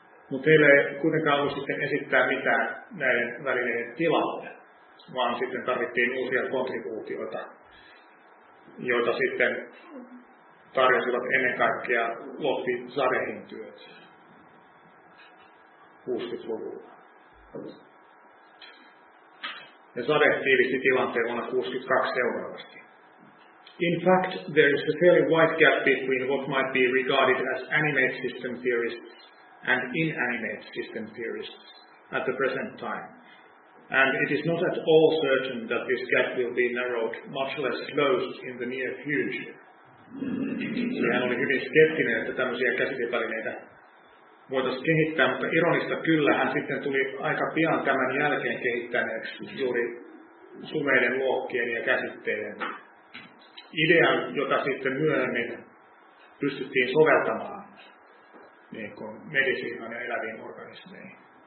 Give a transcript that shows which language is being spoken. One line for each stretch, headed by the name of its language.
Finnish: Mutta heillä ei kuitenkaan ollut sitten esittää mitään näiden välineiden tilalle, vaan sitten tarvittiin uusia kontribuutioita, joita sitten tarjosivat ennen kaikkea Lotti Zarehin työt 60-luvulla. Ja Zareh tiivisti tilanteen vuonna 62 seuraavasti.
English: In fact, there is a fairly wide gap between what might be regarded as animate system theorists and inanimate system theorists at the present time. And it is not at all certain that this gap will be narrowed, much less closed in the near future.
Finnish: Sehän oli hyvin skeptinen, että tämmöisiä käsitevälineitä voitaisiin kehittää, mutta ironista kyllä hän sitten tuli aika pian tämän jälkeen kehittäneeksi juuri sumeiden luokkien ja käsitteiden idean, jota sitten myöhemmin pystyttiin soveltamaan niin kuin medisiinan ja eläviin organismeihin.